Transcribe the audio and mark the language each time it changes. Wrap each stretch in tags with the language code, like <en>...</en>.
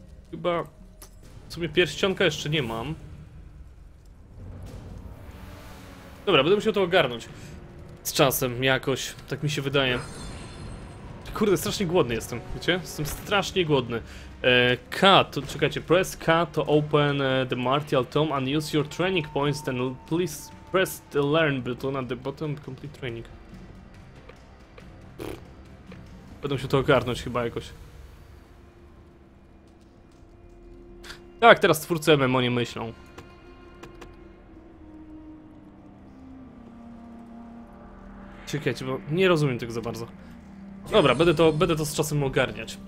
<pl>Chyba... W sumie pierścionka jeszcze nie mam. Dobra, będę musiał to ogarnąć. Z czasem, jakoś, tak mi się wydaje. Kurde, strasznie głodny jestem, wiecie? Jestem strasznie głodny. K, to czekajcie,</pl> <en>press K to open the martial tome and use your training points, then please press the learn button at the bottom, complete training.</en> <pl>Będę się to ogarnąć chyba jakoś. Tak, teraz twórcy MMO nie myślą. Czekajcie, bo nie rozumiem tego za bardzo. Dobra, będę to z czasem ogarniać.</pl>